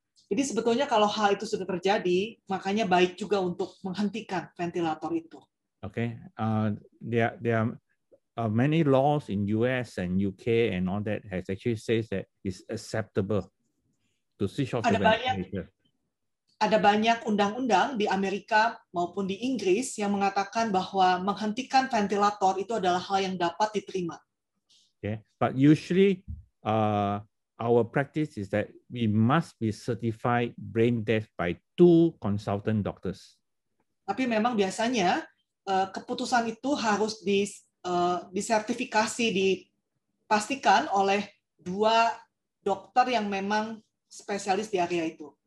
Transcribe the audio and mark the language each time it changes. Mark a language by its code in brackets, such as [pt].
[id] Jadi sebetulnya kalau hal itu sudah terjadi, makanya baik juga untuk menghentikan ventilator itu. [en] Okay. There are many laws in US and UK and all that has actually says that it's acceptable to switch off the ventilator. [id] Ada banyak undang-undang di Amerika maupun di Inggris yang mengatakan bahwa menghentikan ventilator itu adalah hal yang dapat diterima. [en] Okay. But usually our practice is that we must be certified brain death by two consultant doctors. [id] Tapi memang biasanya keputusan itu harus disertifikasi, dipastikan oleh dua dokter yang memang spesialis di area itu.